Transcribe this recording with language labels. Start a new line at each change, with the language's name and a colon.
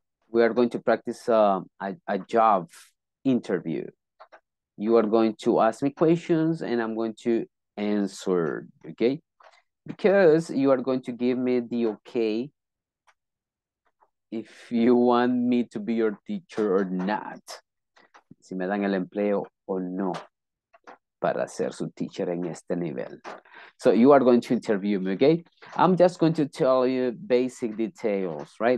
English: we are going to practice a job interview. You are going to ask me questions and I'm going to answer, okay? Because you are going to give me the okay if you want me to be your teacher or not.
Spanish: Si me dan el empleo o no para ser su teacher en este nivel.
English: So you are going to interview me, okay? I'm just going to tell you basic details, right?